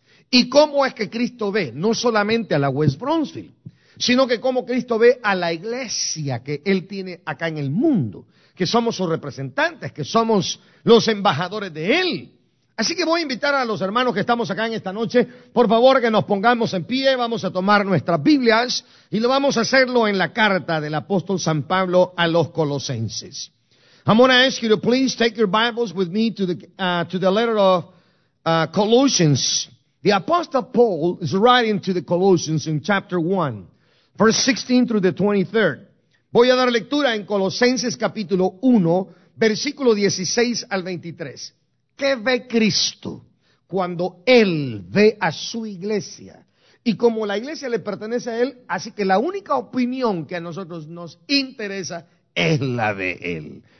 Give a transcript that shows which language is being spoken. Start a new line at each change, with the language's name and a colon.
Spanish: ¿Y cómo es que Cristo ve no solamente a la West Brownsville, sino que cómo Cristo ve a la iglesia que Él tiene acá en el mundo, que somos sus representantes, que somos los embajadores de Él? Así que voy a invitar a los hermanos que estamos acá en esta noche, por favor que nos pongamos en pie, vamos a tomar nuestras Biblias y lo vamos a hacerlo en la carta del apóstol San Pablo a los Colosenses.
English: I'm going to ask you to please take your Bibles with me to the letter of Colossians. The Apostle Paul is writing to the Colossians in chapter 1, verse 16 through the 23rd.
Spanish: Voy a dar lectura en Colosenses capítulo 1, versículo 16 al 23. ¿Qué ve Cristo cuando Él ve a su iglesia? Y como la iglesia le pertenece a Él, así que la única opinión que a nosotros nos interesa es la de Él.